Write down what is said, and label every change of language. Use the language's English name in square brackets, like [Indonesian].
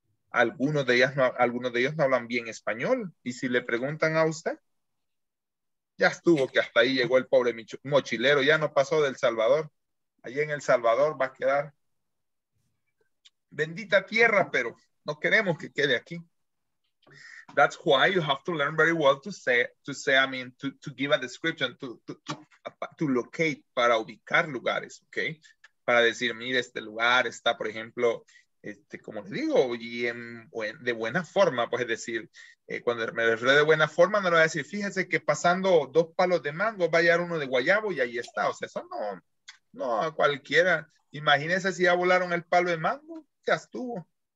[Spanish] Algunos de ellos no hablan bien español. Y si le preguntan a usted, ya estuvo que hasta ahí llegó el pobre mochilero, ya no pasó del Salvador. Ahí en El Salvador va a quedar bendita tierra, pero no queremos que quede aquí. [English] That's why you have to learn very well to give a description, to locate, [Spanish] para ubicar lugares, [English] ¿ok? [Spanish] Para decir, mire, este lugar está, por ejemplo, como le digo, y de buena forma, pues es decir, cuando me refiero de buena forma, no le voy a decir, fíjese que pasando dos palos de mango, va a llegar uno de guayabo y ahí está. O sea, eso no a cualquiera. Imagínese si ya volaron el palo de mango, ya estuvo.